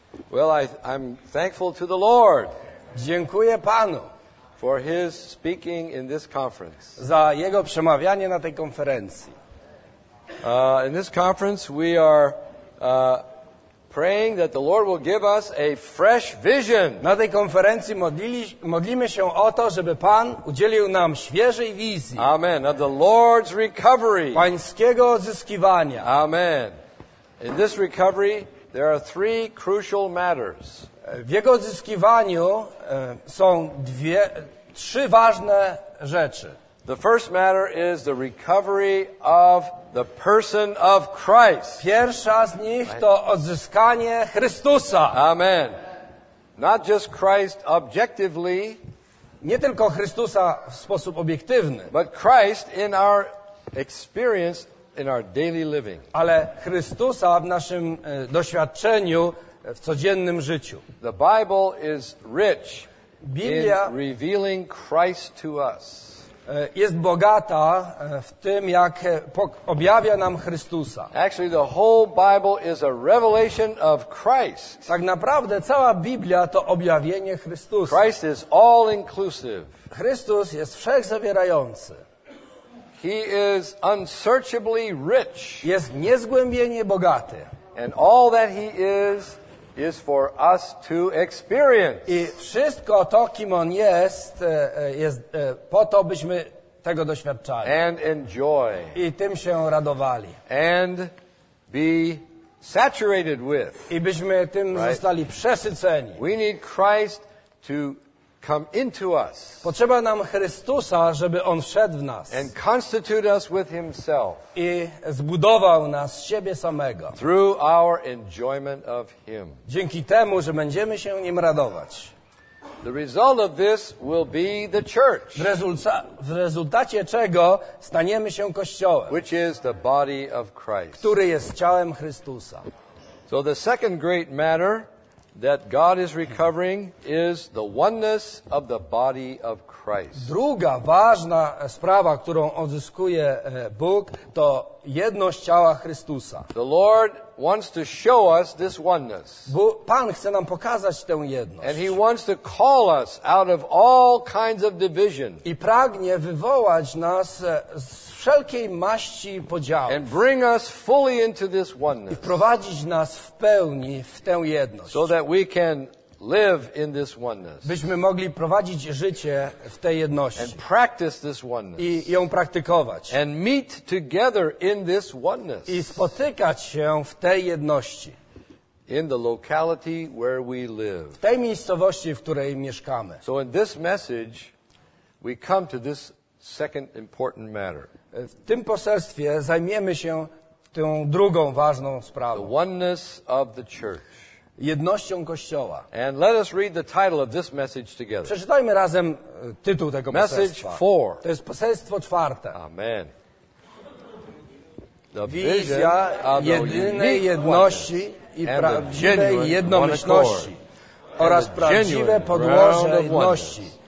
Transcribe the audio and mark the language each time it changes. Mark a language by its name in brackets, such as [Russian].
[English] Well, I'm thankful to the Lord. [Polish] Dziękuję Panu. [English] For his speaking in this conference. [Polish] Za jego przemawianie na tej konferencji. [English] In this conference we are praying that the Lord will give us a fresh vision. [Polish] Na tej konferencji modlimy się o to, żeby Pan udzielił nam świeżej wizji. [English] Amen. Of the Lord's recovery. [Polish] Pańskiego odzyskiwania. [English] Amen. In this recovery there are three crucial matters. [Polish] W jego odzyskiwaniu są trzy ważne rzeczy. [English] The first matter is the recovery of the person of Christ. [Polish] Pierwsza z nich to odzyskanie Chrystusa. [English] Amen. Not just Christ objectively, [Polish] nie tylko Chrystusa w sposób obiektywny, [English] but Christ in our experience in our daily living. [Polish] Ale Chrystusa w naszym doświadczeniu w codziennym życiu. [English] The Bible is rich Biblia in revealing Christ to us. [Polish] Jest bogata w tym, jak objawia nam Chrystusa. [English] Actually, the whole Bible is a revelation of Christ. [Polish] Tak naprawdę cała Biblia to objawienie Chrystusa. [English] Christ is all inclusive. [Polish] Chrystus jest wszechzawierający. [English] He is unsearchably rich. [Polish] Jest niezgłębienie bogaty. [English] And all that he is for us to experience. [Polish] I wszystko to, kim on jest, jest po to, byśmy tego doświadczali. [English] And enjoy. [Polish] I tym się radowali. [English] And be saturated with. [Polish] I byśmy tym zostali przesyceni. [English] We need Christ to come into us. [Polish] Potrzeba nam Chrystusa, żeby on wszedł w nas. [English] And constitute us with himself. [Polish] I zbudował nas siebie samego. [English] Through our enjoyment of him. [Polish] Dzięki temu, że będziemy się nim radować. [English] The result of this will be the church. [Polish] W rezultacie czego staniemy się kościołem. [English] Which is the body of Christ. [Polish] Który jest ciałem Chrystusa. [English] So the second great matter that God is recovering is the oneness of the body of Christ. [Polish] Druga ważna sprawa, którą odzyskuje Bóg, to jedność ciała Chrystusa. [English] The Lord wants to show us this oneness. [Polish] Pan chce nam pokazać tę jedność. [English] And he wants to call us out of all kinds of division. [Polish] I pragnie wywołać nas z wszelkiej maści podziałów. [English] And bring us fully into this oneness. [Polish] I wprowadzić nas w pełni w tę jedność. [English] So that we can live in this oneness. [Polish] Byśmy mogli prowadzić życie w tej jedności. [English] And practice this oneness. [Polish] I ją praktykować. [English] And meet together in this oneness. [Polish] I spotykać się w tej jedności. [English] In the locality where we live. [Polish] W tej miejscowości, w której mieszkamy. [English] So in this message, we come to this second important matter. [Polish] W tym poselstwie zajmiemy się tą drugą ważną sprawą. [English] The oneness of the church. [Polish] Jednością Kościoła. [English] And let us read the title of this message together. [Polish] Przeczytajmy razem tytuł tego [English] message [Polish] poselstwa. [English] Message 4. [Polish] To jest poselstwo czwarte. [English] Amen. [Polish] The wizja jedynej jedności i prawdziwej jednomyślności oraz prawdziwe podłoże jedności.